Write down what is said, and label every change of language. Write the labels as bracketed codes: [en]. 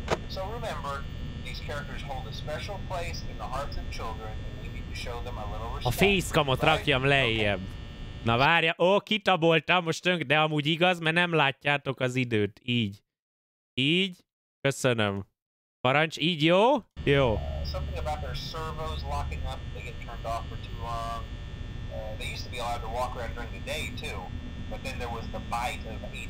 [en] So remember, these characters hold a special place in the hearts of children, and we need to show them a little respect. [hu] A facecamot rakjam lejjebb. Okay. Na várja, kitaboltam most tönk, de amúgy igaz, mert nem látjátok az időt. Így. Így. Köszönöm. Parancs, így jó? Jó. [en] Something about their servos locking up, they get turned off for too long. They used to be allowed to walk around during the day too, but then there was the bite of 87.